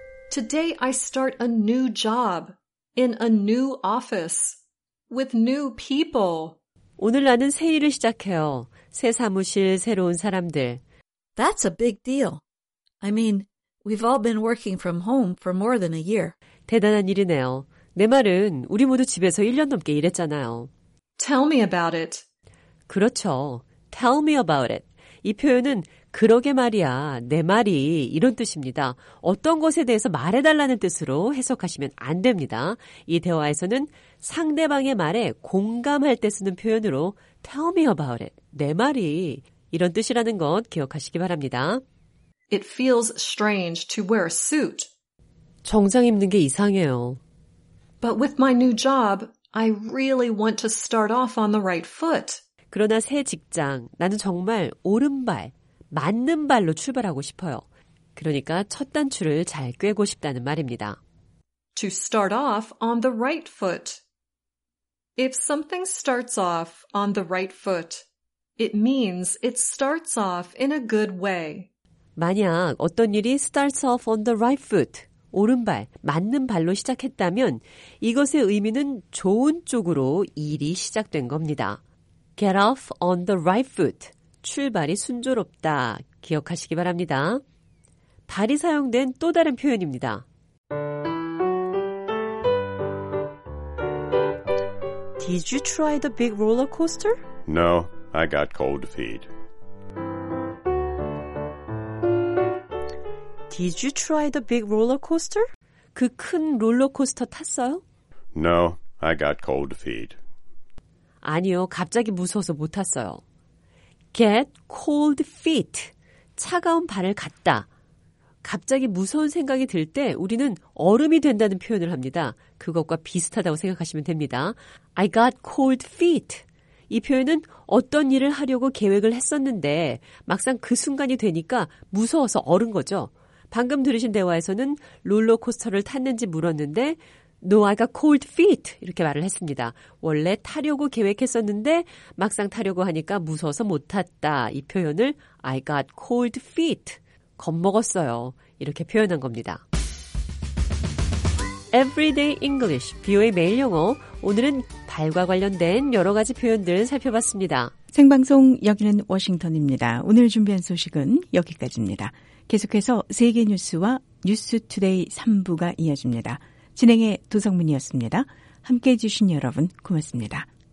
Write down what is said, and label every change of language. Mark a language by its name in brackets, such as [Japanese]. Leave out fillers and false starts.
[English] 'Today I start a new job in a new office with new people.' [Korean] 오늘 나는 새 일을 시작해요. 새 사무실, 새로운 사람들. [English] That's a big deal. I mean, we've all been working from home for more than a year. [Korean] 대단한 일이네요. 내 말은 우리 모두 집에서 1년 넘게 일했잖아요. [English] Tell me about it. [Korean] 그렇죠. [English] Tell me about it. [Korean] 이 표현은 그러게 말이야, 내 말이 이런 뜻입니다. 어떤 것에 대해서 말해달라는 뜻으로 해석하시면 안 됩니다. 이 대화에서는 상대방의 말에 공감할 때 쓰는 표현으로 [English] Tell me about it. [Korean] 내 말이 이런 뜻이라는 것 기억하시기 바랍니다. [English] It feels strange to wear a suit. [Korean] 정장 입는 게 이상해요. [English] But with my new job, I really want to start off on the right foot. [Korean] 그러나 새 직장, 나는 정말 오른발, 맞는 발로 출발하고 싶어요. 그러니까 첫 단추를 잘 꿰고 싶다는 말입니다. [English] To start off on the right foot. If something starts off on the right foot, it means it starts off in a good way. [Korean] 만약 어떤 일이 [English] starts off on the right foot, [Korean] 오른발, 맞는 발로 시작했다면 이것의 의미는 좋은 쪽으로 일이 시작된 겁니다. [English] Get off on the right foot. [Korean] 출발이 순조롭다. 기억하시기 바랍니다. 발이 사용된 또 다른 표현입니다. [English] Did you try the big roller coaster? No, I got cold feet. Did you try the big roller coaster? [Korean] 그 큰 롤러코스터 탔어요? [English] No, I got cold feet. [Korean] 아니요, 갑자기 무서워서 못 탔어요. [English] Get cold feet. [Korean] 차가운 발을 갖다. 갑자기 무서운 생각이 들 때 우리는 얼음이 된다는 표현을 합니다. 그것과 비슷하다고 생각하시면 됩니다. [English] I got cold feet. [Korean] 이 표현은 어떤 일을 하려고 계획을 했었는데 막상 그 순간이 되니까 무서워서 얼은 거죠. 방금 들으신 대화에서는 롤러코스터를 탔는지 물었는데 [English] No, I got cold feet. [Korean] 이렇게 말을 했습니다. 원래 타려고 계획했었는데 막상 타려고 하니까 무서워서 못 탔다. 이 표현을 [English] I got cold feet. [Korean] 겁먹었어요. 이렇게 표현한 겁니다. Everyday English, 비오의 매일 영어. 오늘은 발과 관련된 여러 가지 표현들 살펴봤습니다. 생방송 여기는 워싱턴입니다. 오늘 준비한 소식은 여기까지입니다. 계속해서 세계 뉴스와 뉴스 투데이 3부가 이어집니다. 진행의 도성민이었습니다. 함께해 주신 여러분 고맙습니다.